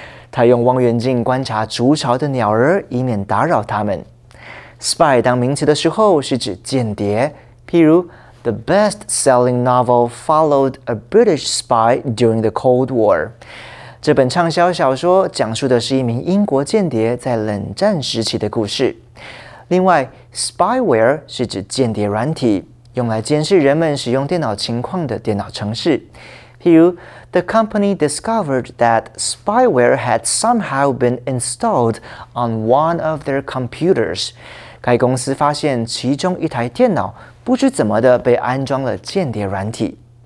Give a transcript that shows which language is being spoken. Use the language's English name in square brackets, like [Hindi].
[Chinese] 他用望远镜观察筑巢的鸟儿，以免打扰它们。 Spy 当名词的时候是指间谍。譬如 [English] ，The best-selling novel followed a British spy during the Cold War. [Chinese] 这本畅销小说讲述的是一名英国间谍在冷战时期的故事。另外 ，spyware 是指间谍软体。用来监视人们使用电脑情况的电脑程式。譬如 [English] ,The company discovered that spyware had somehow been installed on one of their computers. [Chinese] 该公司发现其中一台电脑不知怎么的被安装了间谍软体。